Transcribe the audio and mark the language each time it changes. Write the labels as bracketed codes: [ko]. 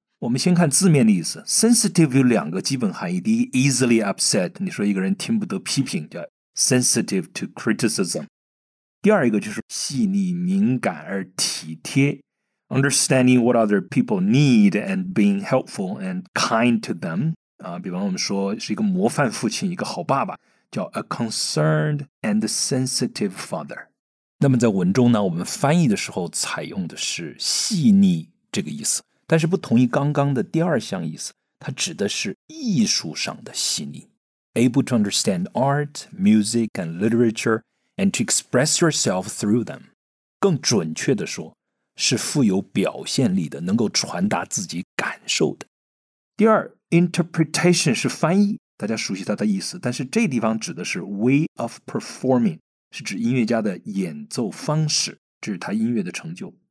[zh] 我们先看字面的意思， sensitive 有两个基本含义，第一 [en] easily upset， [zh] 你说一个人听不得批评叫 [en] sensitive to criticism， [zh] 第二一个就是细腻敏感而体贴， [en] understanding what other people need and being helpful and kind to them、 [zh] 比方我们说是一个模范父亲，一个好爸爸叫 [en] a concerned and sensitive father。 [zh] 那么在文中呢，我们翻译的时候采用的是细腻这个意思，但是不同于刚刚的第二项意思，它指的是艺术上的细腻。 [en] Able to understand art, music, and literature, and to express yourself through them. [zh] 更准确的说，是富有表现力的，能够传达自己感受的。第二 ,interpretation 是翻译，大家熟悉它的意思，但是这地方指的是 [en] way of performing, [zh] 是指音乐家的演奏方式，这是他音乐的成就。